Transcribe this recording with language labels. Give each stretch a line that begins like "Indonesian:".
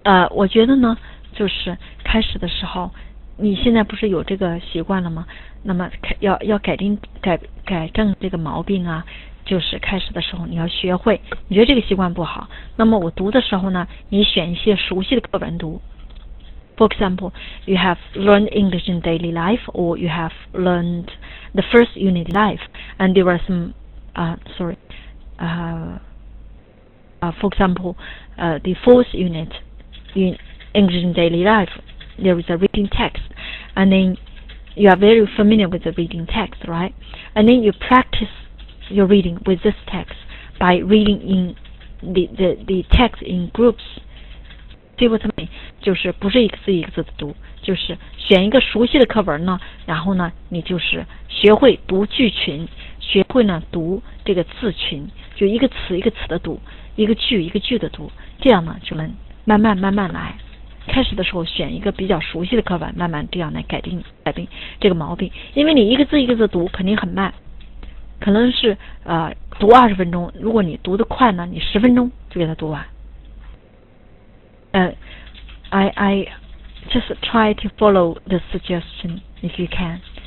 Chinese: 我觉得呢，就是开始的时候，你现在不是有这个习惯了吗？那么要改正这个毛病啊，就是开始的时候你要学会，你觉得这个习惯不好，那么我读的时候呢，你选一些熟悉的课文读。
English: For example, you have learned English in daily life, or you have learned the first unit life, and there are some, sorry, for example, the fourth unit. In English in daily life, there is a reading text, and then you are very familiar with the reading text, right? And then you practice your reading with this text by reading in the text in groups. See what I mean?
Chinese: 就是不是一个字一个字的读，就是选一个熟悉的课文呢，然后呢，你就是学会读句群，学会呢读这个字群，就一个词一个词的读，一个句一个句的读，这样呢就能。慢慢来，开始的时候选一个比较熟悉的课本，慢慢这样来改正这个毛病。因为你一个字一个字读，肯定很慢，可能是读20分钟。如果你读得快呢，你10分钟就给它读完。
English: I just try to follow the suggestion if you can。